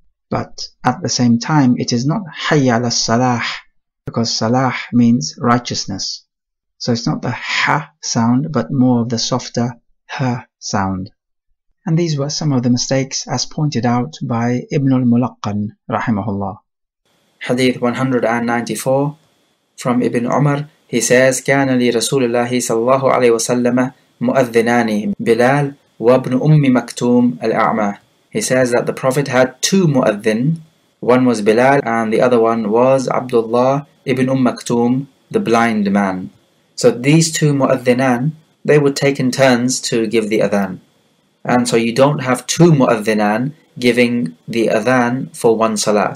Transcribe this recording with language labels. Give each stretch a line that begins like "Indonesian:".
English: But at the same time, it is not Hayya ala salah, because salah means righteousness. So it's not the ha sound, but more of the softer ha sound. And these were some of the mistakes as pointed out by Ibn al-Mulaqqan, rahimahullah. Hadith 194 from Ibn Umar, he says,
Arabic: كَانَ لِرَسُولِ اللَّهِ صَلَّى اللَّهُ عَلَيْهِ وَسَلَّمَ مُؤَذِّنَانِ بِلَالِ وَابْنُ أُمِّ مَكْتُومِ الْأَعْمَى.
English: He says that the Prophet had two mu'adhin. One was Bilal and the other one was Abdullah ibn Maktum, the blind man. So these two mu'adhinan, they would take in turns to give the adhan. And so you don't have two mu'adhinan giving the adhan for one salah.